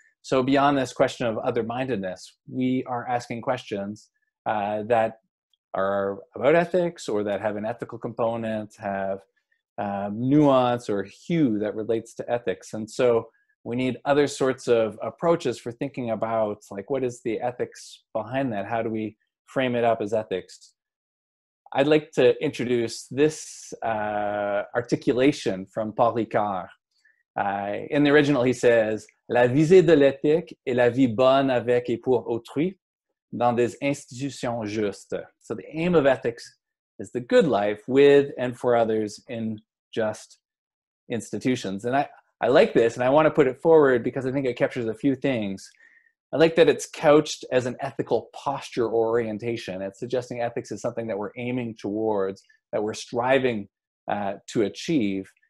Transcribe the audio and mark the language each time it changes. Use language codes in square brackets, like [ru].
[en] So beyond this question of other-mindedness, we are asking questions that are about ethics or that have an ethical component, have nuance or hue that relates to ethics. And so we need other sorts of approaches for thinking about, like, what is the ethics behind that? How do we frame it up as ethics? I'd like to introduce this articulation from Paul Ricard. In the original, he says, [fr] la visée de l'éthique est la vie bonne avec et pour autrui dans des institutions justes. [en] So the aim of ethics is the good life with and for others in just institutions. And I like this and I want to put it forward because I think it captures a few things. I like that it's couched as an ethical posture or orientation. It's suggesting ethics is something that we're aiming towards, that we're striving to achieve.